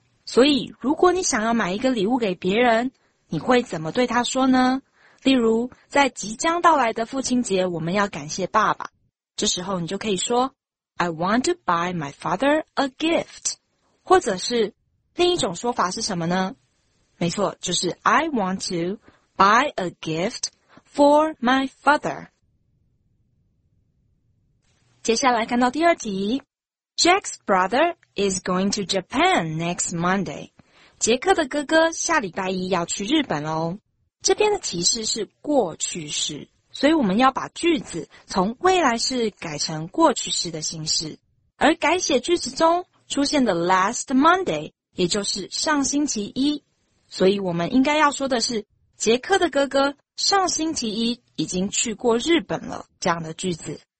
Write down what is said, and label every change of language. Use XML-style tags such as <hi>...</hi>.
<zh>所以如果你想要买一个礼物给别人，你会怎么对他说呢？例如在即将到来的父亲节，我们要感谢爸爸，这时候你就可以说</zh> <en>I want to buy my father a gift。</en> <zh>或者是另一种说法是什么呢？没错，就是</zh> <en>I want to buy a gift for my father。</en> <zh>接下来看到第二题，</zh> <en>Jack's brother is going to Japan next Monday。</en> <zh>杰克的哥哥下礼拜一要去日本哦。这边的提示是过去式，所以我们要把句子从未来式改成过去式的形式。而改写句子中出现的 last Monday 也就是上星期一，所以我们应该要说的是杰克的哥哥上星期一已经去过日本了这样的句子。</zh>